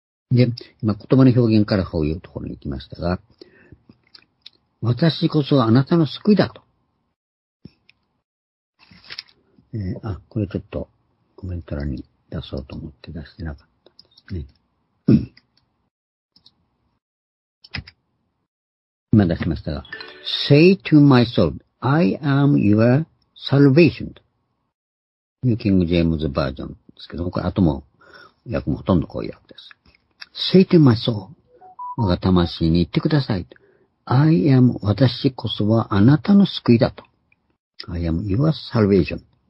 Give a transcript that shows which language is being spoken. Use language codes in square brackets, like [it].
[ja] で、今言葉の表現からこういうところに行きましたが、私こそあなたの救いだと。これちょっとコメント欄に出そうと思って出してなかったんですね。今出しましたが、 [en] Say to my soul, I am your salvation. [ja] ニューキングジェームズバージョンですけど、これ後も訳もほとんどこういう訳です。 [en] Say to my soul, [ja] 我が魂に言ってください。 [en] I am, [ja] 私こそはあなたの救いだと。 [en] I am your salvation.